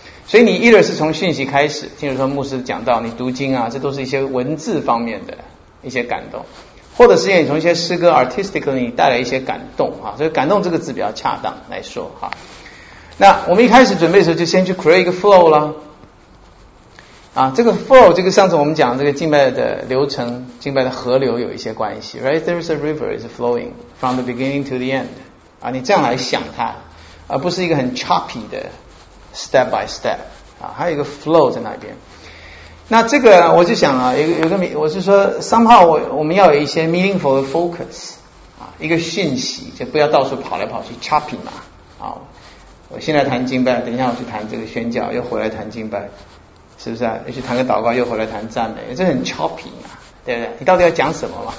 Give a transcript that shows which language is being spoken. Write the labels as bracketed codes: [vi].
[zh] 所以你either是从讯息开始，譬如说牧师讲到你读经啊，这都是一些文字方面的一些感动，或者是你从一些诗歌 artistically 带来一些感动啊，所以感动这个字比较恰当来说啊。那我们一开始准备的时候就先去 create 一个 flow 了啊，这个 flow 这个上次我们讲这个敬拜的流程，敬拜的河流有一些关系 ，right? [en] There is a river is flowing from the beginning to the end [zh] 啊，你这样来想它，而不是一个很 [en] choppy 的 step by step 啊， [zh] 还有一个 [en] flow 在那边。 [zh] 那这个我就想啊，有个我是说 somehow 我们要有一些 meaningful 的 focus 啊，一个讯息，就不要到处跑来跑去 choppy 嘛啊。我现在谈敬拜，等一下我去谈这个宣教，又回来谈敬拜，是不是啊？又去谈个祷告，又回来谈赞美，这很 choppy 嘛，对不对？你到底要讲什么嘛？